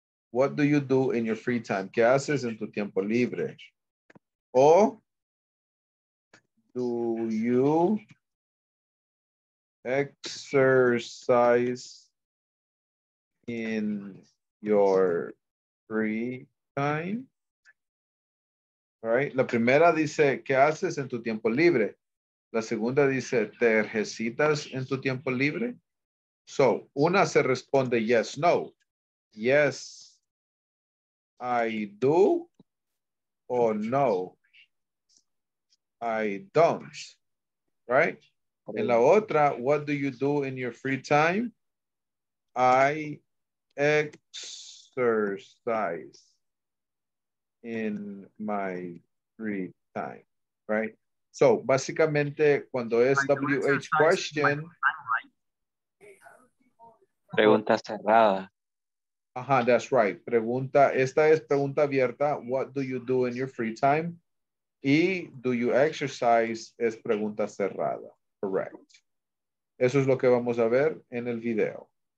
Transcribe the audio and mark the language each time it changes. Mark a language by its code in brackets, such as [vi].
[en] What do you do in your free time? [es] ¿Qué haces en tu tiempo libre? [en] O do you exercise in your free time? Right. [es] La primera dice, ¿qué haces en tu tiempo libre? La segunda dice, ¿te ejercitas en tu tiempo libre? [en] So, [es] una se responde [en] yes, no. Yes, I do, or no, I don't. Right? [es] En la otra, [en] what do you do in your free time? I exercise in my free time, right? [es] So, básicamente, cuando es WH question. Pregunta cerrada. Ajá, [en] that's right. [es] Pregunta, esta es pregunta abierta. [en] What do you do in your free time? [es] Y [en] do you exercise? [es] Es pregunta cerrada. Correct. Eso es lo que vamos a ver en el video.